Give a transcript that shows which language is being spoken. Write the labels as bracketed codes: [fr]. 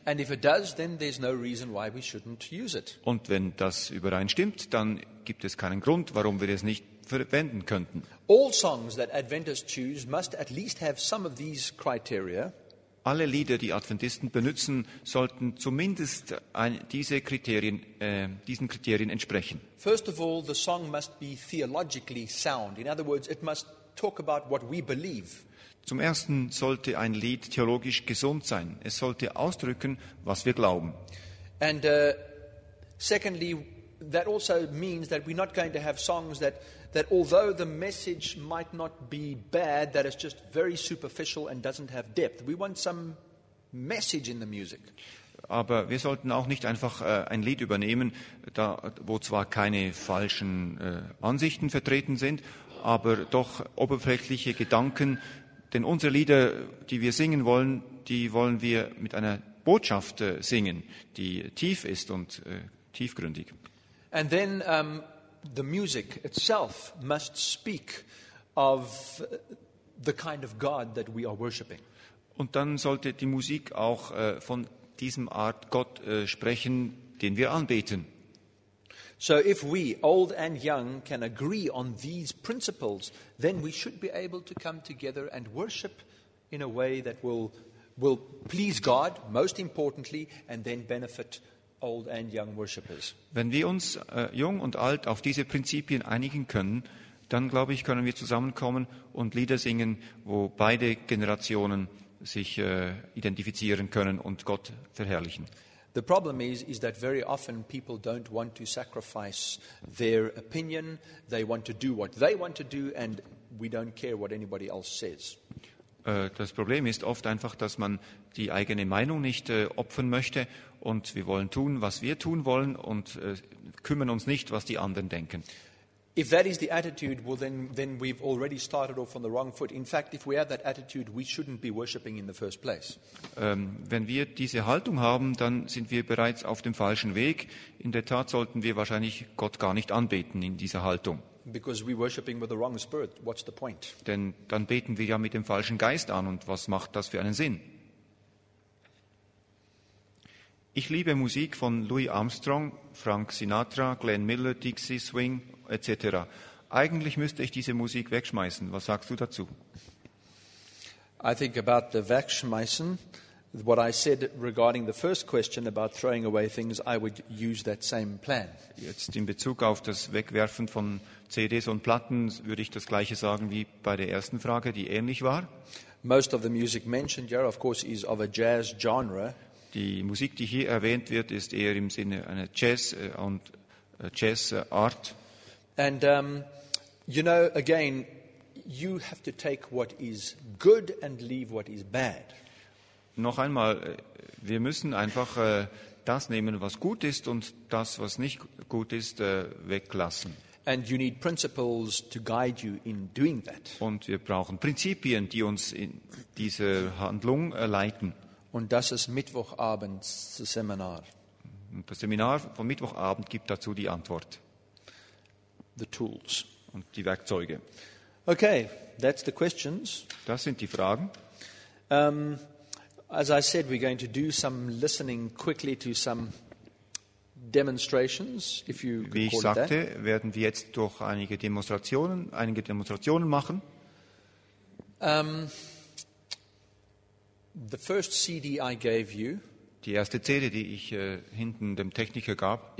[en] And if it does, then there's no reason why we shouldn't use it. [de] Und wenn das übereinstimmt, dann gibt es keinen Grund, warum wir es nicht verwenden könnten. [en] All songs that Adventists choose must at least have some of these criteria. [de] Alle Lieder, die Adventisten benutzen, sollten zumindest diesen Kriterien entsprechen. [en] First of all, the song must be theologically sound. In other words, it must talk about what we believe. [de] Zum Ersten sollte ein Lied theologisch gesund sein. Es sollte ausdrücken, was wir glauben. [en] And secondly, that also means that we're not going to have songs that although the message might not be bad, that is just very superficial and doesn't have depth. We want some message in the music. [de] Aber wir sollten auch nicht einfach ein Lied übernehmen, da wo zwar keine falschen Ansichten vertreten sind, aber doch oberflächliche Gedanken. Denn unsere Lieder, die wir singen wollen, die wollen wir mit einer Botschaft singen, die tief ist und tiefgründig. [en] And then the music itself must speak of the kind of God that we are worshiping. [de] Und dann sollte die Musik auch von diesem Art Gott sprechen, den wir anbeten. [en] So if we, old and young, can agree on these principles, then we should be able to come together and worship in a way that will please God, most importantly, and then benefit old and young worshippers. [de] Wenn wir uns jung und alt auf diese Prinzipien einigen können, dann glaube ich, können wir zusammenkommen und Lieder singen, wo beide Generationen sich identifizieren können und Gott verherrlichen. [en] The problem is that very often people don't want to sacrifice their opinion. They want to do what they want to do, and we don't care what anybody else says. [de] Das Problem ist oft einfach, dass man die eigene Meinung nicht opfern möchte, und wir wollen tun, was wir tun wollen, und kümmern uns nicht, was die anderen denken. [en] If that is the attitude, well then we've already started off on the wrong foot. In fact, if we have that attitude, we shouldn't be worshiping in the first place. [de] Wenn wir diese Haltung haben, dann sind wir bereits auf dem falschen Weg. In der Tat sollten wir wahrscheinlich Gott gar nicht anbeten in dieser Haltung. [en] Because we're worshiping with the wrong spirit, what's the point? [de] Denn dann beten wir ja mit dem falschen Geist an, und was macht das für einen Sinn? Ich liebe Musik von Louis Armstrong, Frank Sinatra, Glenn Miller, Dixie Swing etc. Eigentlich müsste ich diese Musik wegschmeißen. Was sagst du dazu? [en] I think about the wegschmeißen, what I said regarding the first question about throwing away things, I would use that same plan. [de] Jetzt in Bezug auf das Wegwerfen von CDs und Platten würde ich das gleiche sagen wie bei der ersten Frage, die ähnlich war. [en] Most of the music mentioned here, of course, is of a jazz genre. [de] Die Musik, die hier erwähnt wird, ist eher im Sinne einer Jazz und Jazz Art. [en] And you know, again, you have to take what is good and leave what is bad. [de] Noch einmal, wir müssen einfach das nehmen, was gut ist, und das, was nicht gut ist, weglassen. [en] And you need principles to guide you in doing that. [de] Und wir brauchen Prinzipien, die uns in diese Handlung leiten. Und das ist Mittwochabends Seminar. Und das Seminar vom Mittwochabend gibt dazu die Antwort. [en] The tools. [de] Und die Werkzeuge. [en] Okay, that's the questions. [de] Das sind die Fragen. [en] As I said, we're going to do some listening quickly to some demonstrations, if you could call it that. [de] Wie ich sagte, werden wir jetzt durch einige Demonstrationen machen. [en] The first CD I gave you. [de] Die erste CD, die ich hinten dem Techniker gab.